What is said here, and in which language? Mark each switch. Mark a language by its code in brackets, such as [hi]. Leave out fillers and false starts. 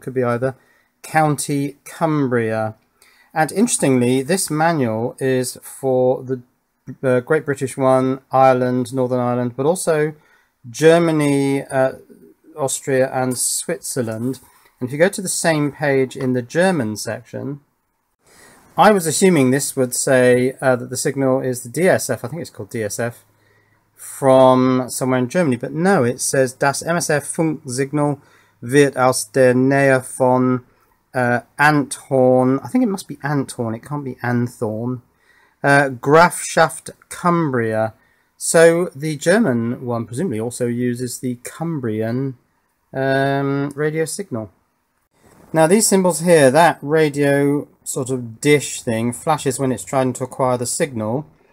[en] Could be either, County Cumbria. And interestingly, this manual is for the Great British one, Ireland, Northern Ireland, but also Germany, Austria and Switzerland. And if you go to the same page in the German section, I was assuming this would say that the signal is the DSF, I think it's called DSF, from somewhere in Germany. But no, it says [de] Das MSF Funk Signal wird aus der Nähe von Anthorn. [en] I think it must be Anthorn, it can't be Anthorn. Grafschaft Cumbria. So the German one presumably also uses the Cumbrian radio signal. Now these symbols here, that radio sort of dish thing flashes when it's trying to acquire the signal.